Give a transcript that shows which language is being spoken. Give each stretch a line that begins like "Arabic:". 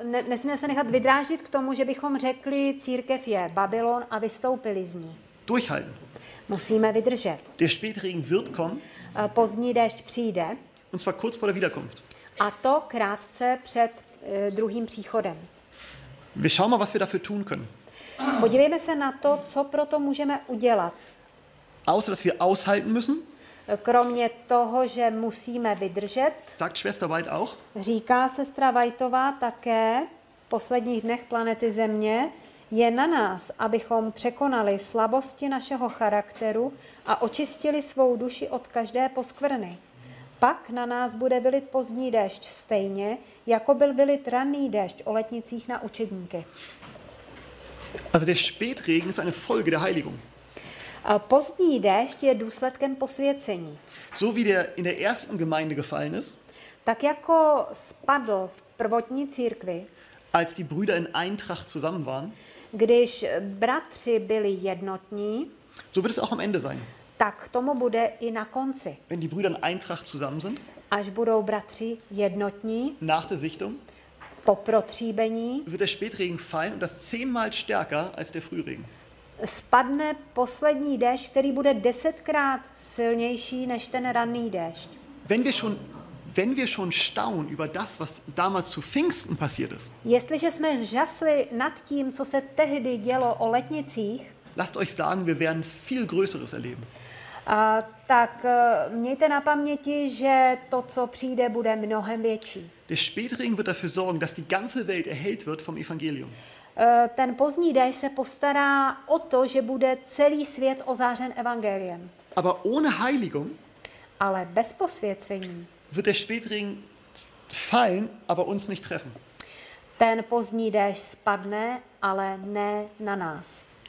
Czech: Nesmíme se nechat vydráždit k tomu, že bychom řekli, církev je Babylon a vystoupili z ní.
German: Durchhalten.
Czech: Musíme vydržet.
German: Der Spätregen wird kommen.
Czech: Pozdní déšť přijde.
German: Und zwar kurz vor der Wiederkunft.
Czech: A to krátce před druhým příchodem.
German: Wir schauen mal, was wir dafür tun können.
Czech: Podívejme se na to, co pro to můžeme udělat.
German: Außer dass wir aushalten müssen.
Czech: kromě toho, že musíme vydržet.
German: Sagt Schwester White auch?
Czech: Říká sestra Whiteová také, v posledních dnech planety Země je na nás, abychom překonali slabosti našeho charakteru a očistili svou duši od každé poskvrny. Pak na nás bude vylit pozdní déšť stejně, jako byl vylit ranný déšť o letnicích na učedníky.
German: Also der Spätregen ist eine Folge der Heiligung.
Czech: Pozdní déšť je důsledkem posvěcení.
German: So wie der in der ersten Gemeinde gefallen ist.
Czech: Tak jako spadl v prvotní církvi.
German: Als die Brüder in Eintracht zusammen waren.
Czech: Když bratři byli jednotní.
German: So wird es auch am Ende sein.
Czech: Tak tomu bude i na konci.
German: Wenn die Brüder in Eintracht zusammen sind.
Czech: Až budou bratři jednotní.
German: Nach der Sichtung.
Czech: Po protříbení.
German: Wird der Spätregen fallen und das 10-mal stärker als der Frühregen.
Czech: Spadne poslední déšť, který bude 10x silnější než ten ranný déšť.
German: Wenn wir schon staunen über das, was damals zu Pfingsten passiert ist.
Czech: Jestliže jsme žasli nad tím, co se tehdy dělo o letnicích.
German: Lasst euch sagen, wir werden viel Größeres erleben.
Czech: Tak mějte na paměti, že to, co přijde, bude mnohem větší.
German: Der Spätregen wird dafür sorgen, dass die ganze Welt erhellt wird vom Evangelium.
Czech: Ten pozdní déšť se postará o to, že bude celý svět ozářen evangeliem.
German: Aber ohne Heiligung,
Czech: ale bez posvěcení,
German: wird der Spätregen fallen, aber uns nicht treffen.
Czech: Ten pozdní déšť spadne, ale ne na nás.